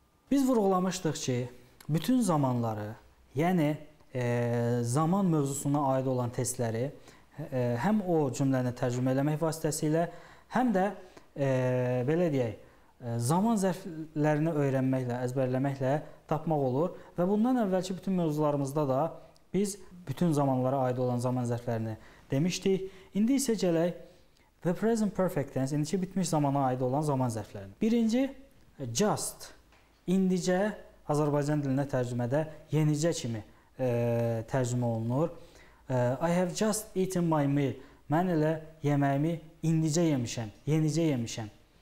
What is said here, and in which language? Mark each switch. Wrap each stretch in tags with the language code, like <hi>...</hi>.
<az>Biz vurğulamışdıq ki, bütün zamanları, yəni zaman mövzusuna aid olan testləri həm o cümləni tərcümə eləmək vasitəsilə, həm də belə deyək, zaman zərflərini öyrənməklə, əzbərləməklə tapmaq olur və bundan əvvəlki bütün mövzularımızda da biz bütün zamanlara aid olan zaman zərflərini demişdik. İndi isə gələk the present perfect tense, indiki bitmiş zamana aid olan zaman zərflərini. Birinci, just, indicə Azərbaycan dilində tərcümədə yenicə kimi tərcümə olunur.</az> <en>I have just eaten my meal.</en> <az>Mən elə yeməyimi indicə yemişəm, yenicə yemişəm.</az>